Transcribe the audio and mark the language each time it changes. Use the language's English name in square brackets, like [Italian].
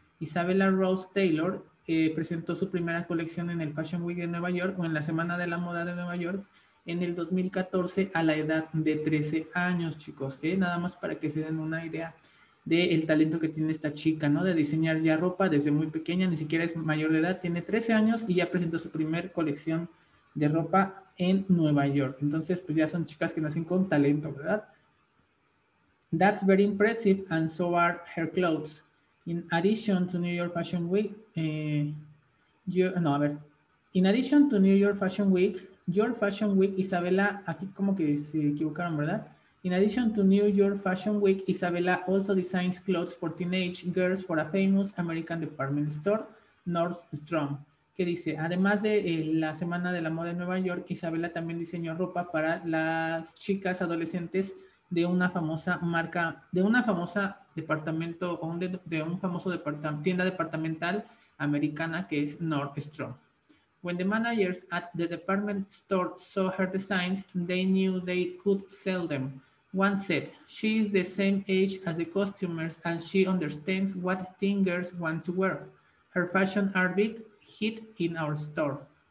[Spanish] Isabella Rose Taylor presentó su primera colección en el Fashion Week de Nueva York o en la Semana de la Moda de Nueva York en el 2014 a la edad de 13 años, chicos. Nada más para que se den una idea del talento que tiene esta chica, ¿no? De diseñar ya ropa desde muy pequeña, ni siquiera es mayor de edad, tiene 13 años y ya presentó su primer colección de ropa en Nueva York. Entonces, pues ya son chicas que nacen con talento, ¿verdad? [English] That's very impressive and so are her clothes. In addition to New York Fashion Week, In addition to New York Fashion Week, your Fashion Week, Isabella, [Spanish] aquí como que se equivocaron, ¿verdad? [English] In addition to New York Fashion Week, Isabella also designs clothes for teenage girls for a famous American department store, Nordstrom. [Spanish] ¿Qué dice? Además de la Semana de la Moda en Nueva York, Isabella también diseñó ropa para las chicas adolescentes de una famosa marca, de una famosa departamento, o de un famoso tienda departamental americana que es Nordstrom. [English] When the managers at the department store saw her designs, they knew they could sell them. One said, she is the same age as the customers and she understands what teen girls want to wear. Her fashion are big hit in our store.